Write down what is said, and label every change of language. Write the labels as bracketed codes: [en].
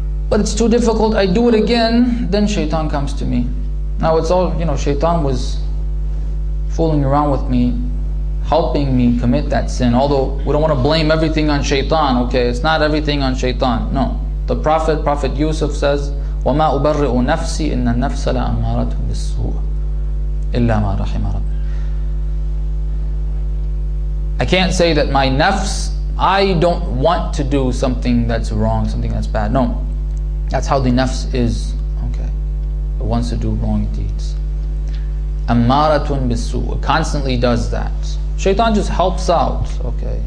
[en] But it's too difficult, I do it again, then shaitan comes to me. Now it's all, you know, shaitan was fooling around with me, helping me commit that sin. Although we don't want to blame everything on shaitan, okay? It's not everything on shaitan, no. The Prophet Yusuf says, [ar] وَمَا أُبَرِّئُ نَفْسِي إِنَّ النَّفْسَ لَأَمَّارَةُ بِالسُّوءِ إِلَّا مَا رَحِمَ رَبِّي. [en] I can't say that my nafs, I don't want to do something that's wrong, something that's bad. No, that's how the nafs is, okay? It wants to do wrong deeds. [ar] أَمَّارَةٌ بِالسُّوءِ. [en] It constantly does that. Shaitan just helps out, okay?